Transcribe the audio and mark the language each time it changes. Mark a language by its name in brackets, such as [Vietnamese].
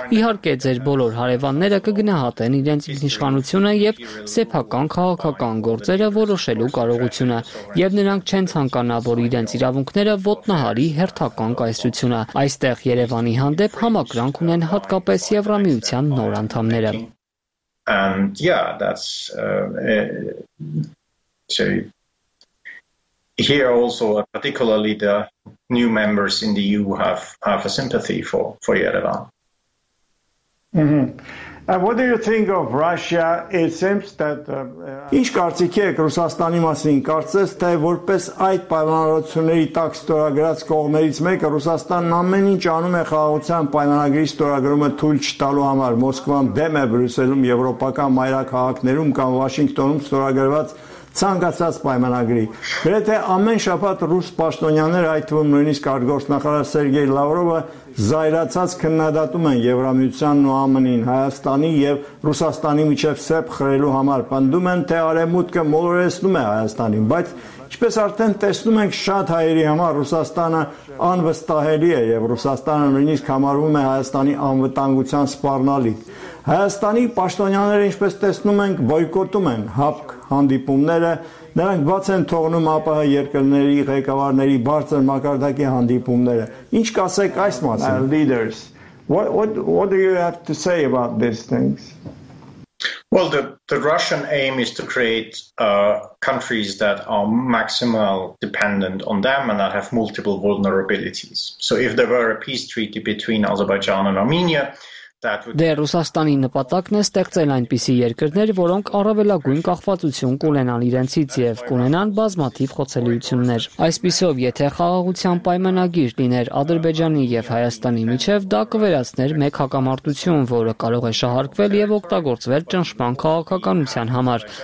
[Armenian] իհարկե ձեր բոլոր հարևանները կգնահատեն իրենց իշխանությունը եւ սեփական քաղաքական գործերը որոշելու կարողությունը, եւ նրանք չեն ցանկանա, որ իրենց իրավունքները ոտնահարի հերթական կայսրությունը։ Այստեղ Երևանի հանդեպ համակրանք ունեն հատկապես Եվրամիության նոր անդամները։ [English] And yeah, that's so here also particularly the new members in the EU have a sympathy for Yerevan. Mm-hmm. What do you think of Russia? It seems that [Armenian] Ինչ կարծիք եք Ռուսաստանի մասին? Կարծես թե որպես այդ պայմանավորությունների տակ ստորագրած կողմերից մեկը, Ռուսաստանն ամեն ինչ անում է խաղաղության պայմանագրի ստորագրումը թույլ չտալու համար։ Մոսկվան դեմ է Բրյուսելում, եվրոպական մայրաքաղաքներում կամ Վաշինգտոնում ստորագրված ցանկացած պայմանագրի։ Գրեթե ամեն շաբաթ ռուս պաշտոնյաները, այդ թվում նույնիսկ արտգործնախարար Սերգեյ Լավրովը, զայրացած քննադատում են Եվրամիությանն ու ԱՄՆ-ին, Հայաստանի և Ռուսաստանի միջև սեպ խրելու համար, պնդում են, թե արևմուտքը մոլորեցնում է Հայաստանին, բայց ինչպես արդեն տեսնում ենք, շատ հայերի համար Ռուսաստանը անվստահելի է և Ռուսաստանը նույնիսկ համարվում է Հայաստանի անվտանգության սպառնալիք։ Հայաստանի պաշտոնյաները, ինչպես տեսնում ենք, բոյկոտում են ՀԱՊԿ հանդիպումները, նրանք բաց են թողնում ԱՊՀ երկրների ղեկավարների բարձր մակարդակի հանդիպումները։ Ինչ կասեք այս մասին? [English] Leaders, what do you have to say about these things? Well, the Russian aim is to create countries that are maximal dependent on them and that have multiple vulnerabilities. So if there were a peace treaty between Azerbaijan and Armenia, [Armenian] Դե Ռուսաստանի նպատակն է ստեղծել այնպիսի երկրներ, որոնք առավելագույն կախվածություն կունենան իրենցից և կունենան բազմաթիվ խոցելիություններ։ Այսպիսով, եթե խաղաղության պայմանագիր լիներ Ադրբեջանի և Հայաստանի միջև, դա կվերածներ մեկ հակամարտություն, որը կարող է շահարկվել և օգտագործվել ճնշման քաղաքականության համար։